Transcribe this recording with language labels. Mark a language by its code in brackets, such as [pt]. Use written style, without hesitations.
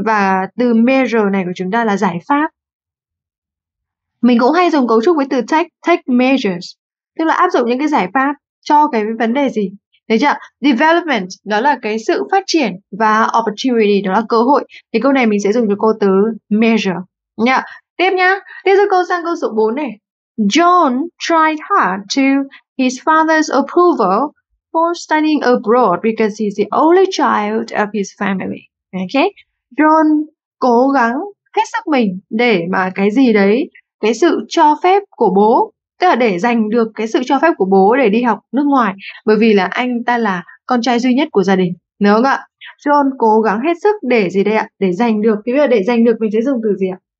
[vi] Và từ measure này của chúng ta là giải pháp. Mình cũng hay dùng cấu trúc với từ take measures, tức là áp dụng những cái giải pháp cho cái vấn đề gì. Thấy chưa? Development đó là cái sự phát triển và opportunity đó là cơ hội. Thì câu này mình sẽ dùng cho cô từ measure nhá. Tiếp nhá. Tiếp cho cô sang câu số 4 này. [en] John tried hard to his father's approval for studying abroad because he's the only child of his family. Okay? [vi] John cố gắng hết sức mình để mà cái gì đấy, cái sự cho phép của bố, tức là để giành được cái sự cho phép của bố để đi học nước ngoài, bởi vì là anh ta là con trai duy nhất của gia đình, đúng không ạ? John cố gắng hết sức để gì đây ạ? Để giành được. Thì bây giờ để giành được mình sẽ dùng từ gì ạ?